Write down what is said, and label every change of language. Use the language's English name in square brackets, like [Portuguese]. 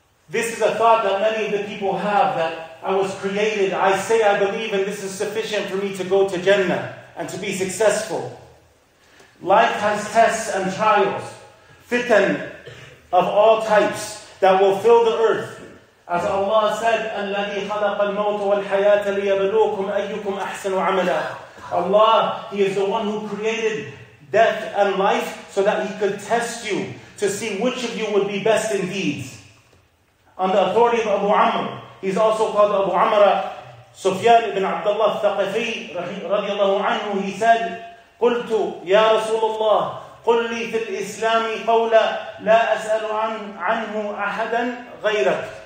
[English] This is a thought that many of the people have, that I was created, I say I believe, and this is sufficient for me to go to Jannah and to be successful. Life has tests and trials, fitan of all types that will fill the earth. As Allah said, [Arabic] الَّذِي خَلَقَ الْمَوْتَ وَالْحَيَاةَ لِيَبْلُوكُمْ أَيُّكُمْ أَحْسَنُ عَمَلًا. [English] Allah, He is the one who created death and life so that He could test you to see which of you would be best in deeds. On the authority of Abu Amr, he's also called Abu Amr, Sufyan ibn Abdullah al-Thaqafi, radiallahu anhu, he said, [Arabic] قُلْتُ يَا رَسُولُ اللَّهِ قُلْ لِي فِي الْإِسْلَامِ قَوْلَ لَا أَسْأَلُ عَنْهُ أَحَدًا غَيْرَكَ.